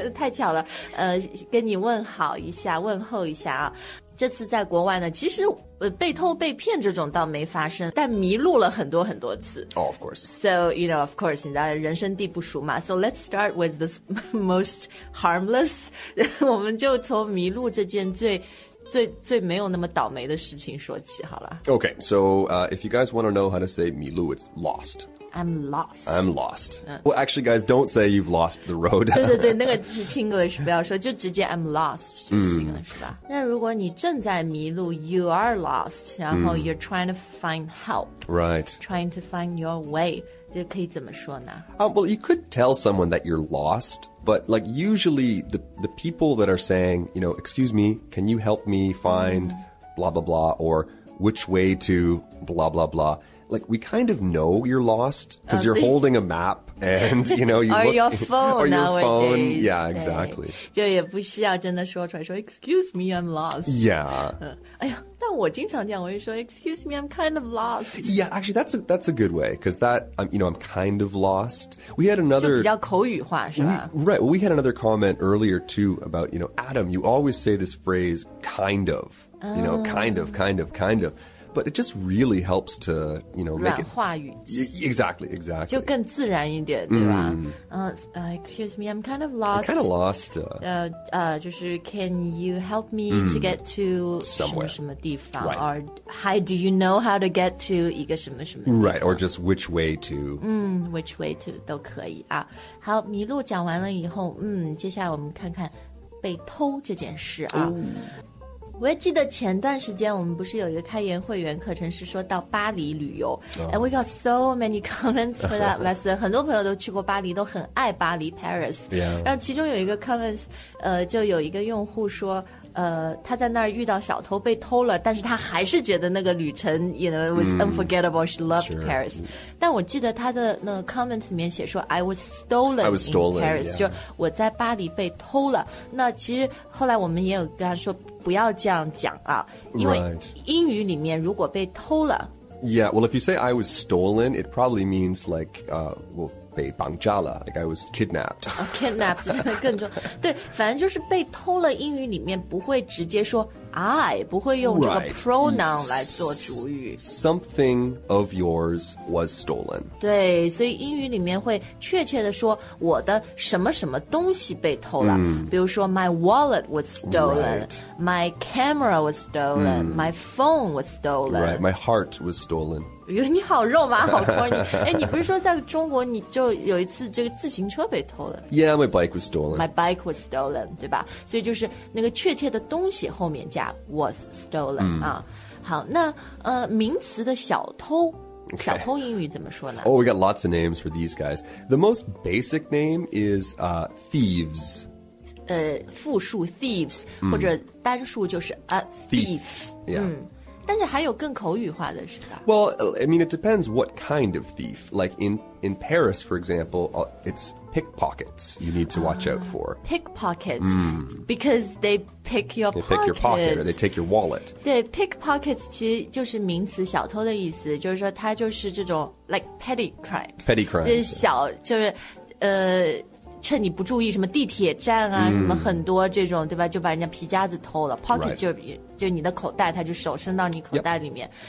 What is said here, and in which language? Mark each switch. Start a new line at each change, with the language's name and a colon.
Chinese: 太巧了跟你问好一下问候一下啊这次在国外呢其实被偷被骗这种倒没发生但迷路了很多很多次
English: Oh, of course So, you know, of course
Chinese: 你知道人生地不熟嘛
English: So let's start with this most harmless
Chinese: 我们就从迷路这件最没有那么倒霉的事情说起好了
English: Okay, so、if you guys want to know how to say 迷路 it's lost I'm lost、 Well, actually guys, don't say you've lost the road
Chinese: 对对对那个是 Chinglish 不要说就直接
English: I'm lost
Chinese: 就行了、是吧那如果你正在迷路
English: You are lost
Chinese: 然后
English: you're trying to find help Right Trying to find your way
Chinese: 就可以怎么说呢、
English: Well, you could tell someone that you're lostBut, like, usually the people that are saying, you know, excuse me, can you help me find blah, blah, blah, or which way to blah, blah, blah. Like, we kind of know you're lost because you're holding a map and, you know, you or look... Your phone or your、 nowadays. phone. Yeah, exactly.
Chinese: 就也不需要真的说出来说
English: excuse me, I'm lost. Yeah.
Chinese: 哎呀但我经常这样我就说
English: excuse me, I'm kind of lost. Yeah, actually, that's a good way, because that, you know, I'm kind of lost. We had another...
Chinese: 就比较口语化是吧
English: Right, we had another comment earlier, too, about, you know, Adam, you always say this phrase, kind of, you know, kind of. But it just really helps to, you know, make it...
Chinese: 软化语气
English: Exactly, exactly.
Chinese: 就更自然一点对吧、
English: excuse me, I'm kind of lost. I'm kind of lost.
Chinese: 就是
English: can you help me to get to... Somewhere.
Chinese: 什么什么地方
English: Right. Or how do you know how to get to
Chinese: 一个什么什么地方
English: Right, or just which way to... Which way to
Chinese: 都可以啊。好迷路讲完了以后接下来我们看看被偷这件事啊。我还记得前段时间我们不是有一个开言会员课程是说到巴黎旅游、oh.
English: And we got so many comments for that lesson
Chinese: 很多朋友都去过巴黎都很爱巴黎
English: Paris、 yeah.
Chinese: 然后其中有一个 comments、就有一个用户说他在那儿遇到小偷被偷了但是他还是觉得那个旅程
English: you know, it was unforgettable she loved、 sure.
Chinese: Paris 但我记得他的那个 comment 里面写说
English: I was stolen in Paris、 yeah.
Chinese: 就我在巴黎被偷了那其实后来我们也有跟他说不要这样讲啊因为英语里面如果被偷了、
English: right. Yeah, well if you say I was stolen it probably means like
Chinese: 被绑架了
English: like I was kidnapped、 oh, kidnapped
Chinese: 更重对反正就是被偷了英语里面不会直接说 I 不会用这个 pronoun、
English: right.
Chinese: 来做主语
English: something of yours was stolen
Chinese: 对所以英语里面会确切的说我的什么什么东西被偷了、比如说
English: my wallet was stolen、 right. my camera was stolen、my phone was stolen、 right. my heart was stolen
Chinese: 你好肉麻好 corny 哎，你不是说在中国你就有一次这个自行车被偷了
English: Yeah, my bike was stolen My bike was stolen,
Chinese: 对吧所以就是那个确切的东西后面加 was stolen、好那名词的小偷、
English: okay.
Chinese: 小偷英语怎么说呢
English: Oh, we got lots of names for these guys The most basic name is thieves
Chinese: 复数 thieves、嗯、或者单数就是 a thief,
English: thief、yeah.
Chinese: 嗯、但是还有更口语化的是吧
English: Well, I mean, it depends what kind of thief. Like in Paris, for example, it's pickpockets you need to watch out for. Pickpockets,、mm. because they pick your pockets. They pick your pocket or they take your wallet.
Chinese: 对 pickpockets 其实就是名词小偷的意思就是说它就是这种
English: like petty crimes. Petty crimes.
Chinese: 就是小、yeah. 就是趁你不注意什么地铁站啊、mm. 什么很多这种对吧就把人家皮夹子偷了 pocket、
English: right.
Chinese: 就你的口袋它就手伸到你口袋里面、